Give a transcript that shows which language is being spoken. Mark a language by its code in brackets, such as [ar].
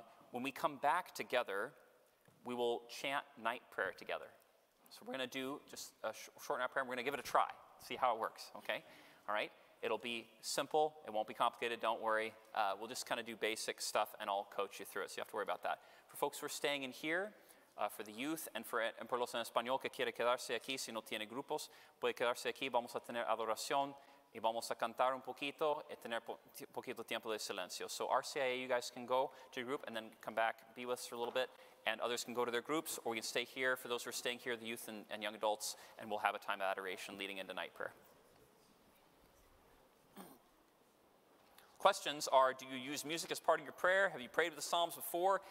[en] When we come back together, we will chant night prayer together. So we're going to do just a short night prayer, and we're going to give it a try, see how it works, okay? All right? It'll be simple. It won't be complicated. Don't worry. We'll just kind of do basic stuff, and I'll coach you through it, so you have to worry about that. For folks who are staying in here, for the youth, and for [es] los en español que quiere quedarse aquí, si no tiene grupos, puede quedarse aquí. Vamos a tener adoración, y vamos a cantar un poquito, y tener poquito tiempo de silencio. [en] So RCIA, you guys can go to your group, and then come back, be with us for a little bit. And others can go to their groups, or we can stay here. For those who are staying here, the youth and young adults, and we'll have a time of adoration leading into night prayer. Questions are, do you use music as part of your prayer? Have you prayed with the Psalms before?